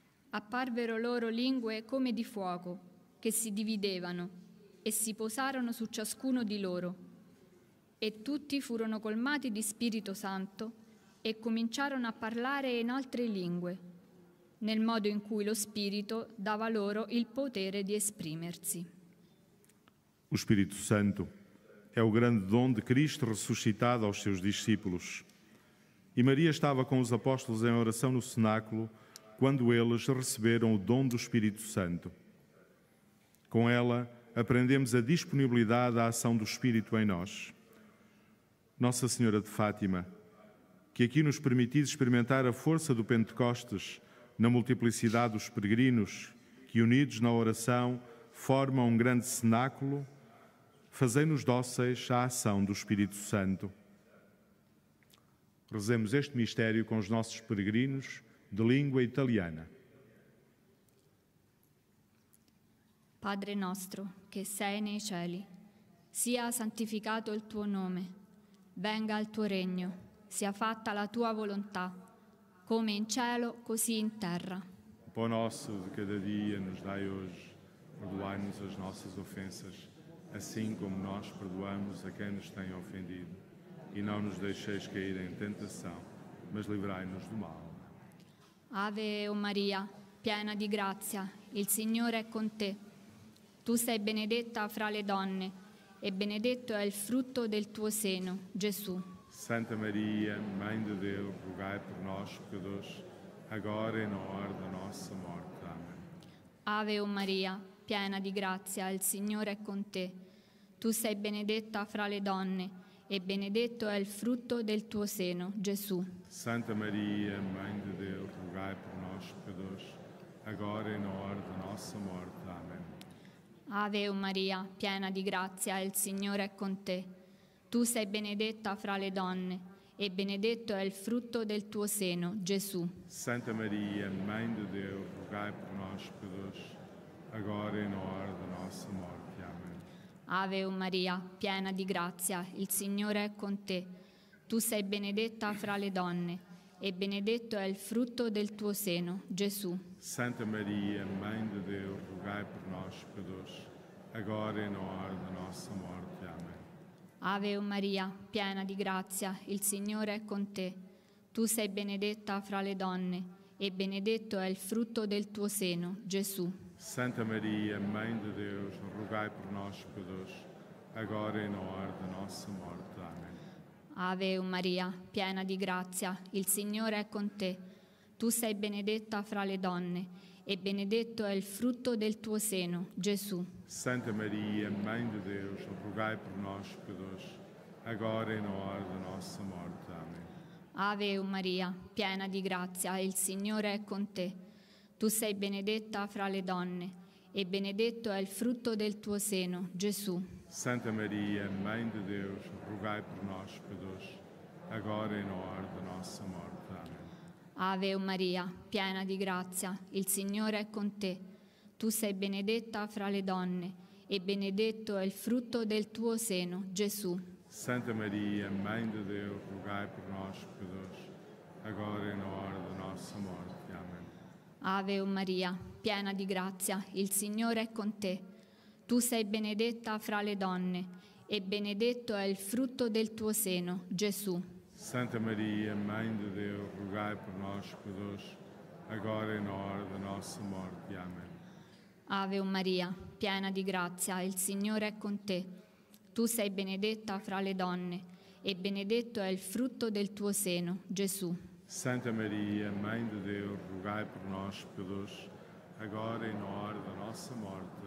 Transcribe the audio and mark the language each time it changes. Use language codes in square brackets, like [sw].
[it] Apparvero loro lingue come di fuoco, che si dividevano, e si posarono su ciascuno di loro. E tutti furono colmati di Spirito Santo e cominciarono a parlare in altre lingue, nel modo in cui lo Spirito dava loro il potere di esprimersi. [pt] O Espírito Santo é o grande dom de Cristo ressuscitado aos seus discípulos. E Maria estava com os apóstolos em oração no cenáculo quando eles receberam o dom do Espírito Santo. Com ela, aprendemos a disponibilidade à ação do Espírito em nós. Nossa Senhora de Fátima, que aqui nos permitis experimentar a força do Pentecostes na multiplicidade dos peregrinos que, unidos na oração, formam um grande cenáculo, fazei-nos dóceis à ação do Espírito Santo. Rezemos este mistério com os nossos peregrinos de língua italiana. [it] Padre nostro, che sei nei cieli, sia santificato il tuo nome, venga il tuo regno, sia fatta la tua volontà, come in cielo, così in terra. [pt] O pão nosso de cada dia nos dai hoje, perdoai-nos as nossas ofensas, assim como nós perdoamos a quem nos tem ofendido. E não nos deixeis cair em tentação, mas livrai-nos do mal. [it] Ave Maria, piena di grazia, il Signore è con te. Tu sei benedetta fra le donne, e benedetto è il frutto del tuo seno, Gesù. [pt] Santa Maria, Mãe de Deus, rogai por nós, pecadores, agora e na hora da nossa morte. Amém. [it] Ave Maria, piena di grazia, il Signore è con te. Tu sei benedetta fra le donne, e benedetto è il frutto del tuo seno, Gesù. [pt] Santa Maria, Mãe de Deus, rogai por nós, pecadores, agora e na hora da nossa morte. Amém. [it] Ave Maria, piena di grazia, il Signore è con te. Tu sei benedetta fra le donne, e benedetto è il frutto del tuo seno, Gesù. [pt] Santa Maria, Mãe de Deus, rogai por nós, pecadores, agora e na hora da nossa morte. Amém. [it] Ave Maria, piena di grazia, il Signore è con te. Tu sei benedetta fra le donne, e benedetto è il frutto del tuo seno, Gesù. [pt] Santa Maria, Mãe de Deus, rogai por nós, pecadores, agora e na hora da nossa morte. Amém. [it] Ave Maria, piena di grazia, il Signore è con te. Tu sei benedetta fra le donne, e benedetto è il frutto del tuo seno, Gesù. [pt] Santa Maria, Mãe de Deus, rogai por nós, pecadores, agora e na hora da nossa morte. Amém. [it] Ave Maria, piena di grazia, il Signore è con te. Tu sei benedetta fra le donne, e benedetto è il frutto del tuo seno, Gesù. [pt] Santa Maria, Mãe de Deus, rogai por nós, pecadores, agora e na hora da nossa morte. Amém. [it] Ave Maria, piena di grazia, il Signore è con te. Tu sei benedetta fra le donne, e benedetto è il frutto del tuo seno, Gesù. [pt] Santa Maria, Mãe de Deus, rogai por nós, pecadores, agora e na hora da nossa morte. Amém. [it] Ave Maria, piena di grazia, il Signore è con te. Tu sei benedetta fra le donne, e benedetto è il frutto del tuo seno, Gesù. [pt] Santa Maria, Mãe de Deus, rogai por nós, pecadores, agora e na hora da nossa morte. Amém. [it] Ave Maria, piena di grazia, il Signore è con te. Tu sei benedetta fra le donne, e benedetto è il frutto del tuo seno, Gesù. [pt] Santa Maria, Mãe de Deus, rogai por nós, pecadores, agora e na hora da nossa morte. Amém. [it] Ave Maria, piena di grazia, il Signore è con te. Tu sei benedetta fra le donne, e benedetto è il frutto del tuo seno, Gesù. [pt] Santa Maria, Mãe de Deus, rogai por nós, pecadores, agora e na hora da nossa morte.